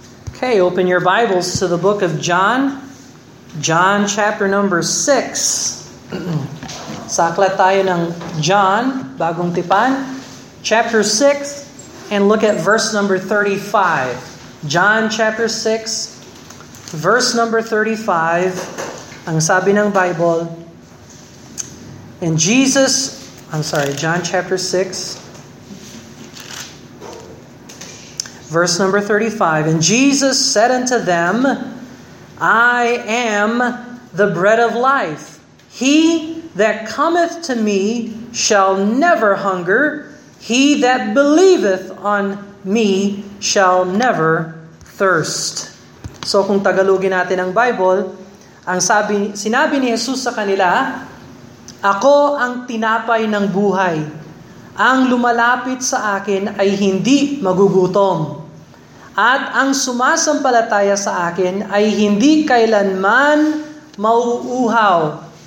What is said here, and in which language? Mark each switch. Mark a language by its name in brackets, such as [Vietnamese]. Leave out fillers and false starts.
[English] Okay, open your Bibles to the book of John. John chapter number 6. [Filipino] Saklat tayo ng John, bagong tipan. [English] Chapter 6, and look at verse number 35. John chapter 6, verse number 35. [Filipino] Ang sabi ng [English] Bible, and Jesus, I'm sorry, John chapter 6. Verse number 35, and Jesus said unto them, I am the bread of life. He that cometh to me shall never hunger. He that believeth on me shall never thirst. [Filipino] So kung tagalogin natin ang Bible, ang sinabi ni Jesus sa kanila, ako ang tinapay ng buhay. Ang lumalapit sa akin ay hindi magugutom. At ang sumasampalataya sa akin ay hindi kailanman mauuhaw.